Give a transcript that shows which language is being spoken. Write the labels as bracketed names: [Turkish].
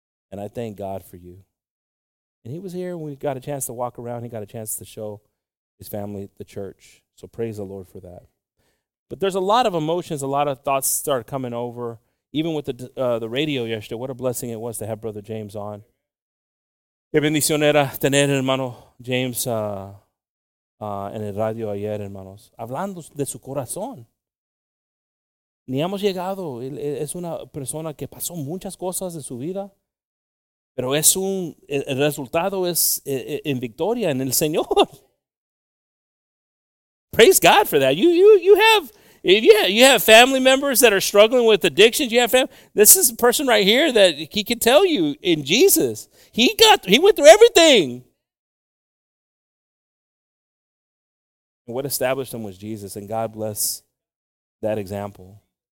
[English] And I thank God for you. And he was here, and we got a chance to walk around. He got a chance to show his family the church. So praise the Lord for that. But there's a lot of emotions, a lot of thoughts start coming over. Even with the radio yesterday, what a blessing it was to have Brother James on. [Spanish] Qué bendición era tener hermano James en el radio ayer, hermanos. Hablando de su corazón. Ni hemos llegado. Es una persona que pasó muchas cosas en su vida. Pero es un el resultado es en victoria en el Señor. [English] Praise God for that. You have family members that are struggling with addictions. This is a person right here that he can tell you in Jesus. He went through everything. And what established him was Jesus, and God bless that example.